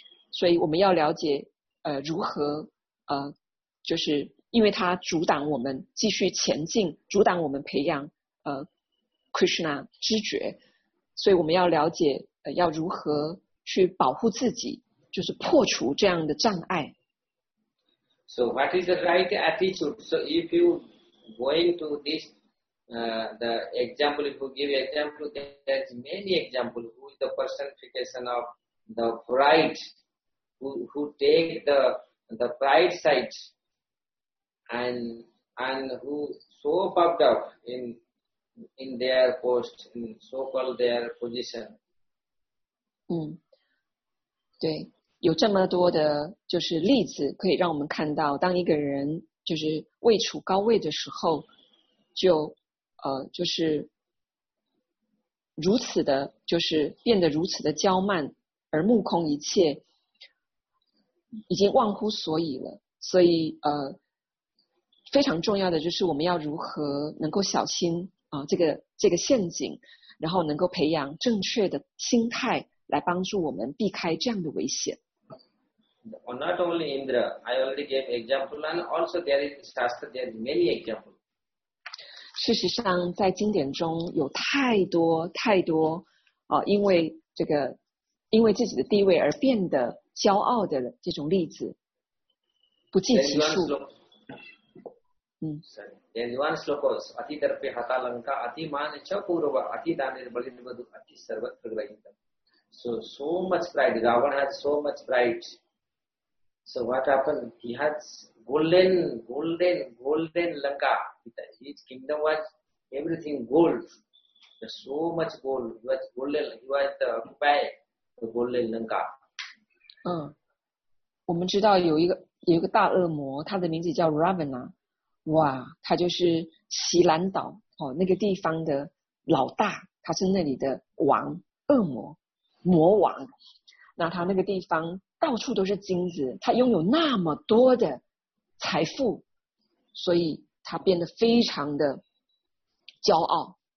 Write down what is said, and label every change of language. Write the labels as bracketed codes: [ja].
[zh] 所以我们要了解如何就是因为它阻挡我们继续前进，阻挡我们培养Krishna 知觉，所以我们要了解要如何去保护自己，就是破除这样的障碍。 [en] So what is the right attitude? So if you going to this the example, if you give example, there's many example who is the personification of the pride, who take the pride side. And who so popped up in their post, in so called their position. [zh] 对，有这么多的就是例子可以让我们看到，当一个人就是位处高位的时候，就就是如此的，就是变得如此的骄慢，而目空一切，已经忘乎所以了。所以非常重要的就是我们要如何能够小心这个陷阱，然后能够培养正确的心态来帮助我们避开这样的危险。 [en] Not only Indra, I already gave example, and also there is Shastra, there are many examples. [zh] 事实上在经典中有太多太多因为自己的地位而变得骄傲的这种例子不计其数。 [en] There is one sloka, [sa] Ati Darpe Hata Lanka, Ati Mane Chakurova, Ati Danir Balinabadu, Ati Sarvat Pragrahita. [en] So much pride, Ravan has so much pride. So what happened? He has golden Lanka. His kingdom was everything gold. So much gold. He was golden, he was the occupy the golden Lanka. [zh] 我们知道有一个大恶魔，他的名字叫 Ravana。哇，他就是锡兰岛那个地方的老大，他是那里的王，恶魔魔王。那他那个地方到处都是金子，他拥有那么多的财富，所以他变得非常的骄傲。